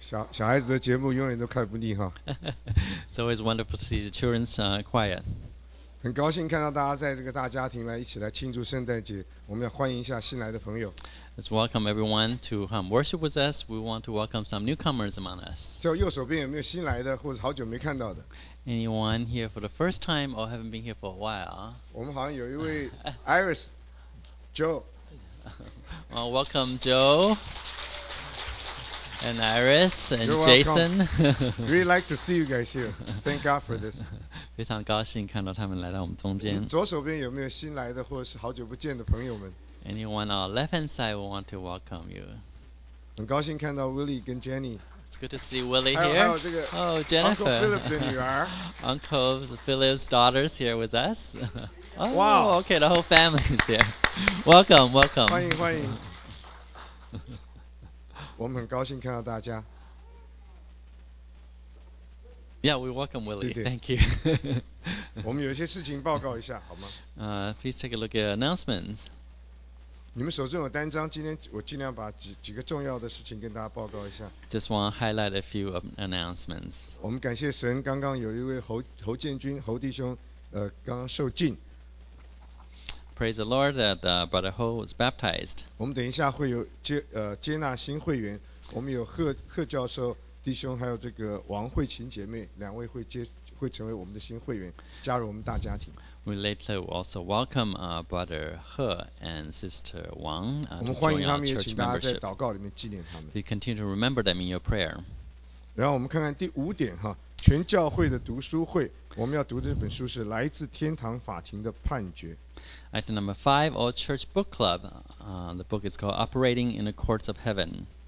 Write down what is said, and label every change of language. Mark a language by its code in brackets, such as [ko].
[zh] 小孩子的节目永远都看不腻哈。 [en] It's always wonderful to see the children's choir. [zh] 很高兴看到大家在这个大家庭来一起来庆祝圣诞节。我们要欢迎一下新来的朋友。 [en] Let's welcome everyone to worship with us. We want to welcome some newcomers among us. [zh] 就右手边有没有新来的，或者好久没看到的 [en] ？Anyone here for the first time or haven't been here for a while? [zh] 我们好像有一位 Iris Joe. [en] Well, welcome Joe. And Iris and Jason. Really like to see you guys here. Thank God for this. [zh] 非常高兴看到他们来到我们中间。左手边有没有新来的或是好久不见的朋友们 [en] ？Anyone on left hand side will want to welcome you. [zh] 很高兴看到 Willie 跟 Jenny. [en] It's good to see Willie here. [zh] 还有这个 Jennifer. Uncle Philip 的女儿。 [en] Uncle Philip's daughters here with us. Oh, wow. Okay, the whole family is here. Welcome, welcome. [zh] 欢迎欢迎。我们很高兴看到大家。 [en] Yeah, we welcome Willie. [zh] 对对 [en] Thank you. [zh] 我们有一些事情报告一下，好吗？ [en] Please take a look at announcements. [zh] 你们手中有单张，今天我尽量把几个重要的事情跟大家报告一下。 [en] Just want to highlight a few of announcements. [zh] 我们感谢神，刚刚有一位侯建军侯弟兄，刚刚受浸。 [en] Praise the Lord that Brother Ho was baptized. [zh] 我们等一下会有接纳新会员，我们有贺教授弟兄，还有这个王慧琴姐妹，两位会成为我们的新会员，加入我们大家庭。 [en] We later will also welcome Brother He and Sister Wang. [zh] 我们欢迎他们，也请大家在祷告里面纪念他们。 [en] We continue to remember them in your prayer. [zh] 然后我们看看第五点哈，全教会的读书会，我们要读的这本书是《来自天堂法庭的判决》。 [en] Item number 5, All Church Book Club. The book is called Operating in the Courts of Heaven.